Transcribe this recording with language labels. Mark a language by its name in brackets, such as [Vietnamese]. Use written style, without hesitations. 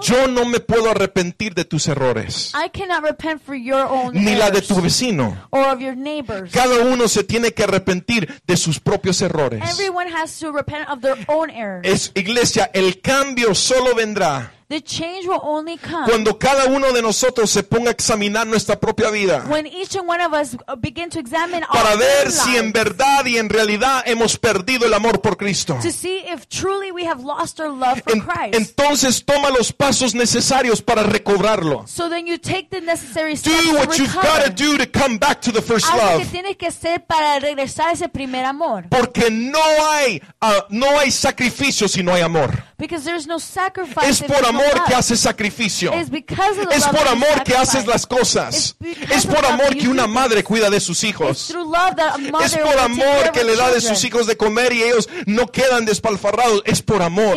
[Spanish] Yo no me puedo arrepentir de tus errores. [English] I cannot repent for your own [Spanish] ni la de tu vecino. [English] Or of your neighbors. [Spanish] Cada uno se tiene que arrepentir de sus propios errores. [English] Everyone has to repent of their own errors. [Spanish] Es iglesia, el cambio solo vendrá. [English] The change will only come [Spanish] cuando cada uno de nosotros se ponga a examinar nuestra propia vida [English] when each and one of us begin to examine [Spanish] para [English] our [Spanish] ver [English] lives [Spanish] si en verdad y en realidad hemos perdido el amor por Cristo. [English] To see if truly we have lost our love for Christ. [Spanish] Entonces toma los pasos necesarios para recobrarlo. [English] So then you take the necessary steps to recover. Do what you've got to do to come back to the first love. [Spanish] Haz lo que tienes que hacer para regresar a ese primer amor. Porque no hay sacrificio si no hay amor. Because there's no sacrifice. Es por amor que haces sacrificio. Es por amor que haces las cosas. Es por amor que una madre cuida de sus hijos. Es por amor que le da de sus hijos de comer y ellos no quedan despalfarrados. Es por amor.